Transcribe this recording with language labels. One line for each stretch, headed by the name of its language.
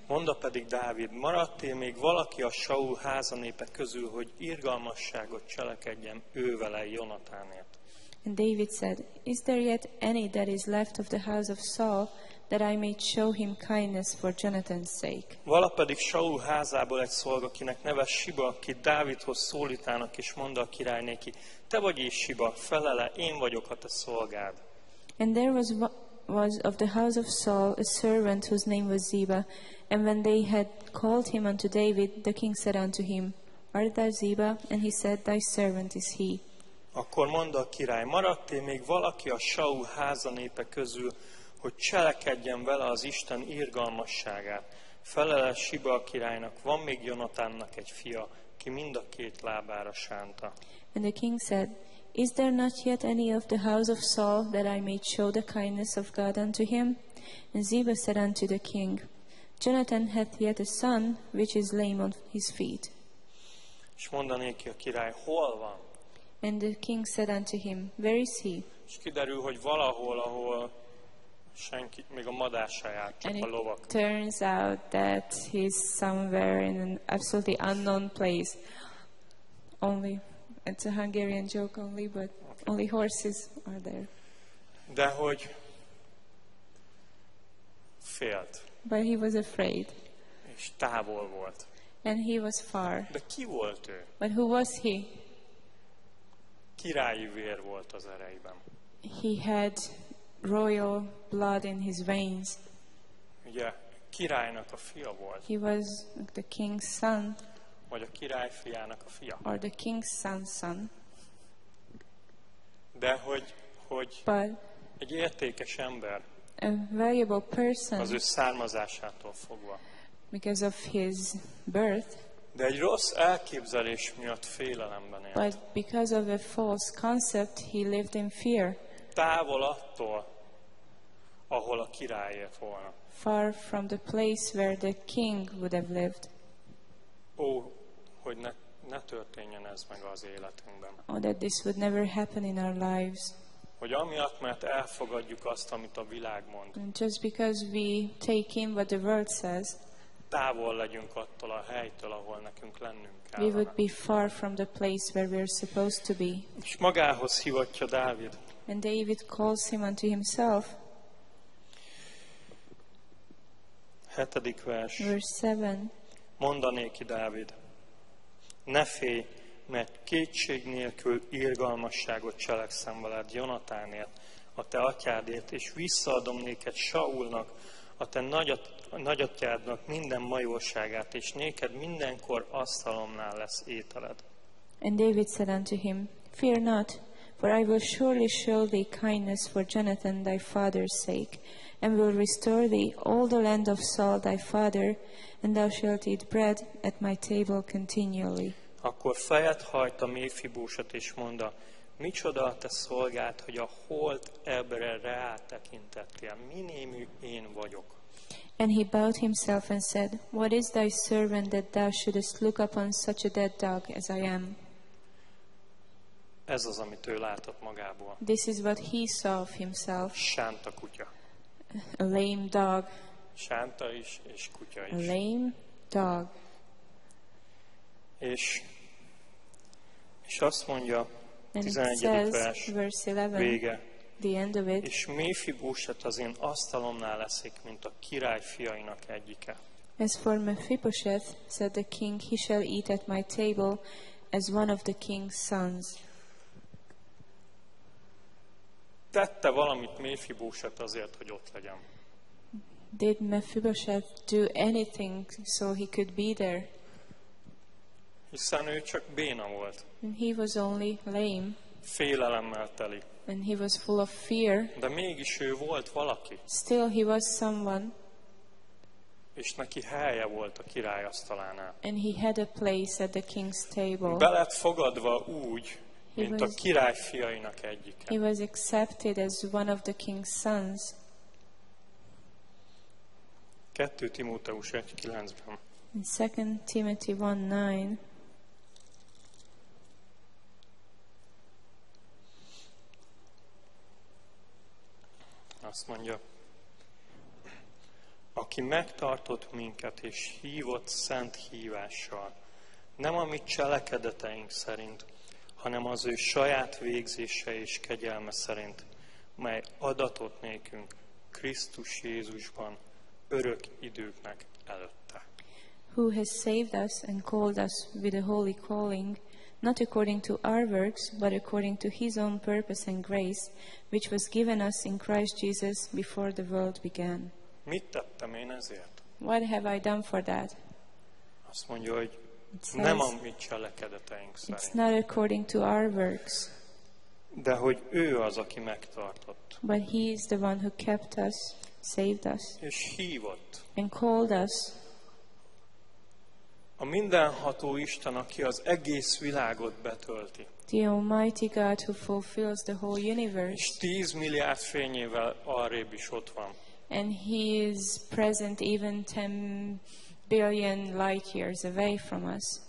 Hungarian: Mondta pedig Dávid, maradt-e még valaki a Saul házanépe közül, hogy irgalmasságot cselekedjen ő vele Jonatánért.
English: And David said, is there yet any that is left of the house of Saul that I may show him kindness for Jonathan's sake?
Hungarian: Vala pedig Saul házából egy szolga, akinek neve Siba, aki Dávidhoz szólítának, és mondta a király neki, te vagy is Siba, felele, én vagyok a te szolgád.
English: And there was of the house of Saul a servant whose name was Ziba, and when they had called him unto David, the king said unto him, art thou Ziba? And he said, thy servant is he.
Hungarian: Akkor mondta a király, maradt-e még valaki a Saul háza népe közül, hogy cselekedjen vele az Isten irgalmasságát. Felele Siba a királynak, van még Jonatánnak egy fia, ki mind a két lábára sánta.
English: And the king said, is there not yet any of the house of Saul that I may show the kindness of God unto him? And Ziba said unto the king, Jonathan hath yet a son which is lame on his feet.
Hungarian: És mondané ki a király, hol van?
English: And the king said unto him, where is he?
Hungarian: És kiderül, hogy valahol, ahol senki, még a madár se jár, csak
English: and
Hungarian: a lovak.
English: It turns out that he's somewhere in an absolutely unknown place. Only. It's a Hungarian joke only, but only horses are there.
Hungarian: De hogy félt.
English: But he was afraid.
Hungarian: És távol volt.
English: And he was far.
Hungarian: De ki volt ő?
English: But who was he?
Hungarian: Királyi vér volt az ereiben.
English: He had royal blood in his veins.
Hungarian: Ugye, királynak a fia volt.
English: He was the king's son.
Hungarian: Vagy a király fiának a fia.
English: Or the king's son's son.
Hungarian: De hogy
English: but
Hungarian: egy értékes ember.
English: A valuable person.
Hungarian: Az ő származásától fogva.
English: Because of his birth.
Hungarian: De egy rossz elképzelés miatt félelemben élt.
English: But because of a false concept, he lived in fear.
Hungarian: Távol attól, ahol a király élt volna.
English: Far from the place where the king would have lived.
Hungarian: Ó, hogy ne történjen ez meg az életünkben.
English: Oh, that this would never happen in our lives.
Hungarian: Hogy amiatt, mert elfogadjuk azt, amit a világ mond.
English: And just because we take in what the world says.
Hungarian: Távol legyünk attól a helytől, ahol nekünk lennünk kell.
English: We would be far from the place where we're supposed to be.
Hungarian: És magához hivatja Dávid.
English: And David calls him unto himself.
Hungarian: 7. vers.
English: Verse 7.
Hungarian: Mondané ki Dávid, ne félj, mert kétség nélkül irgalmasságot cselekszem veled Jonatánért, a te atyádért, és visszaadom néked Saulnak, a te nagyatyádnak minden majorságát, és néked mindenkor asztalomnál lesz ételed.
English: And David said unto him, fear not, for I will surely show thee kindness for Jonathan thy father's sake, and will restore thee all the land of Saul thy father, and thou shalt eat bread at my table continually.
Hungarian: Akkor fejet hajt a Méfibósat, és mondta, micsoda a te szolgád, hogy a holt ebre rátekintettél, minémű én vagyok.
English: And he bowed himself and said, what is thy servant that thou shouldest look upon such a dead dog as I am?
Hungarian: Ez az, amit ő látott magából.
English: This is what he saw of himself.
Hungarian: Sánta kutya.
English: A lame dog.
Hungarian: Sánta is, és kutya is.
English: A lame dog.
Hungarian: És azt mondja, 11. vers vége.
English: The end of it.
Hungarian: És Méfibósat az én asztalomnál leszik, mint a király fiainak egyike.
English: As for Mephibosheth, said the king, he shall eat at my table as one of the king's sons.
Hungarian: Tette valamit Méfibósat azért, hogy ott legyen.
English: Did Mephibosheth do anything so he could be there?
Hungarian: Hiszen ő csak béna volt.
English: And he was only lame.
Hungarian: Félelemmel teli.
English: And he was full of fear.
Hungarian: De mégis ő volt valaki.
English: Still he was someone.
Hungarian: És neki helye volt a király asztalánál.
English: And he had a place at the king's table.
Hungarian: Be lett fogadva úgy, mint a király fiainak egyike.
English: He was accepted as one of the king's sons.
Hungarian: 2 Timóteus 1:9-ben.
English: In 2 Timothy 1:9.
Hungarian: Azt mondja, aki megtartott minket és hívott szent hívással, nem a mi cselekedeteink szerint, hanem az ő saját végzése és kegyelme szerint, mely adatott nékünk Krisztus Jézusban örök időknek előtte.
English: Who has saved us and called us with a holy calling, not according to our works, but according to his own purpose and grace, which was given us in Christ Jesus before the world began.
Hungarian: Mit tettem én ezért?
English: What have I done for that?
Hungarian: Azt mondja, hogy
English: says,
Hungarian: nem a mi cselekedeteink szerint.
English: It's not according to our works.
Hungarian: De hogy ő az, aki megtartott.
English: But he is the one who kept us, saved us.
Hungarian: És hívott.
English: And called us.
Hungarian: A mindenható Isten, aki az egész világot betölti.
English: The Almighty God who fulfills the whole universe.
Hungarian: És 10 milliárd fényével arrébb is ott van.
English: And he is present even 10 billion light years away from us.